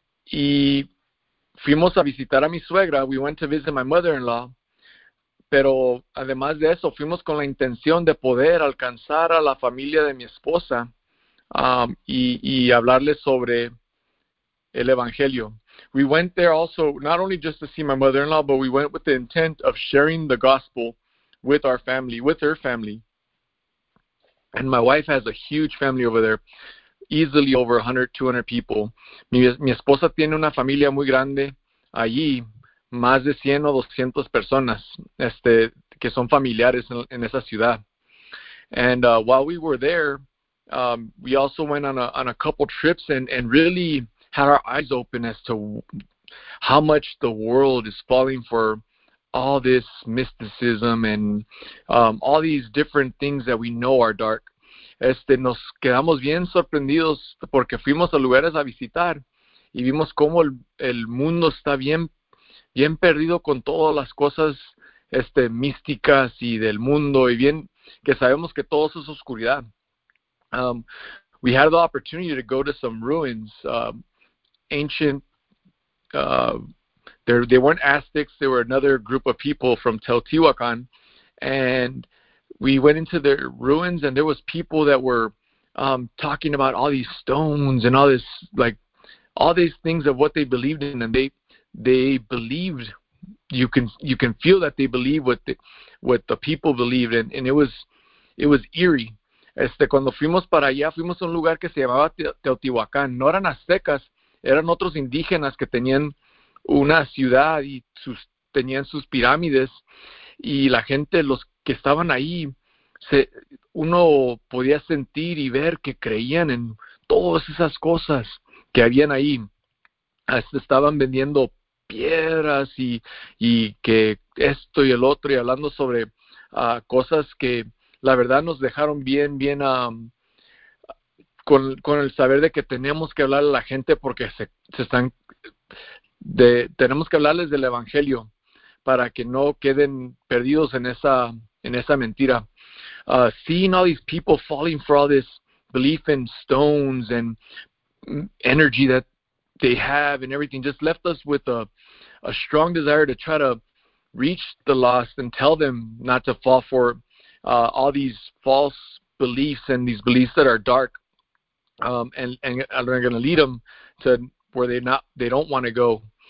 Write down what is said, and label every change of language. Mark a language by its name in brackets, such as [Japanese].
[Spanish] Y fuimos a visitar a mi suegra. [English] We went to visit my mother-in-law. [Spanish] Pero además de eso, fuimos con la intención de poder alcanzar a la familia de mi esposa y hablarle sobre el evangelio. [English] We went there also, not only just to see my mother-in-law, but we went with the intent of sharing the gospel with our family, with her family. And my wife has a huge family over there, easily over 100, 200 people. [Spanish] Mi esposa tiene una familia muy grande allí, más de 100 o 200 personas que son familiares en esa ciudad. [English] And while we were there, we also went on a couple trips and really had our eyes open as to how much the world is falling for all this mysticism and all these different things that we know are dark. [Spanish] Nos quedamos bien sorprendidos porque fuimos a lugares a visitar y vimos cómo el mundo está bien, bien perdido con todas las cosas místicas y del mundo, y bien que sabemos que todo eso es oscuridad. [English] We had the opportunity to go to some ruins, ancient, they weren't Aztecs, they were another group of people from Teotihuacan, and we went into their ruins, and there was people that were talking about all these stones and all this, like, all these things of what they believed in, and they believed, you can feel that they believe what the people believed in, and it was eerie. [Spanish] Cuando fuimos para allá, fuimos a un lugar que se llamaba Teotihuacan. No eran aztecas, eran otros indígenas que tenían una ciudad y tenían sus pirámides, y la gente, los que estaban ahí, uno podía sentir y ver que creían en todas esas cosas que habían ahí. Estaban vendiendo piedras y que esto y el otro, y hablando sobre cosas que la verdad nos dejaron bien, bien con el saber de que tenemos que hablar a la gente porque se están de tenemos que hablarles del evangelio para que no queden perdidos en esa mentira. [English] Seeing all these people falling for all this belief in stones and energy that they have and everything just left us with a strong desire to try to reach the lost and tell them not to fall for all these false beliefs and these beliefs that are dark and are going to lead them to where they don't want to go.